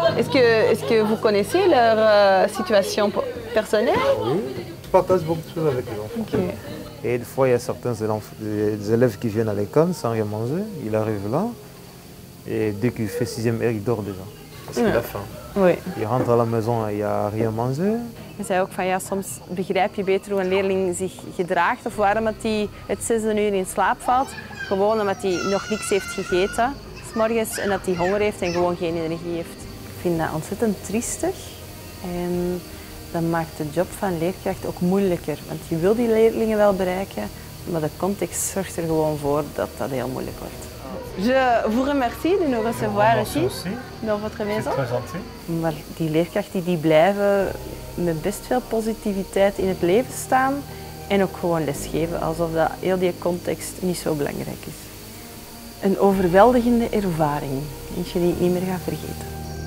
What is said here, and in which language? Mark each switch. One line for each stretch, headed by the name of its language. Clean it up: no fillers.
French: Est-ce que vous connaissez leur situation personnelle? Oui. je partage beaucoup de choses avec les enfants. Okay. Et des fois, il y a certains élèves qui viennent à l'école sans rien manger. Il arrive là, et dès qu'il fait 6e heure, il dort déjà. Parce qu'il a faim. Oui. Il rentre à la maison et il n'a rien mangé.
Dutch: Je zei ook van ja, soms begrijp je beter hoe een leerling zich gedraagt of waarom dat hij het 6e uur in slaap valt. Gewoon omdat hij nog niks heeft gegeten 's morgens en dat hij honger heeft en gewoon geen energie heeft. Ik vind dat ontzettend triestig. En dat maakt de job van leerkracht ook moeilijker. Want je wil die leerlingen wel bereiken, maar de context zorgt er gewoon voor dat dat heel moeilijk wordt.
French: Je vous remercie de nous recevoir ici dans votre maison.
Dutch: Maar die leerkrachten die blijven met best veel positiviteit in het leven staan en ook gewoon lesgeven, alsof dat heel die context niet zo belangrijk is. Een overweldigende ervaring, eentje die ik niet meer ga vergeten.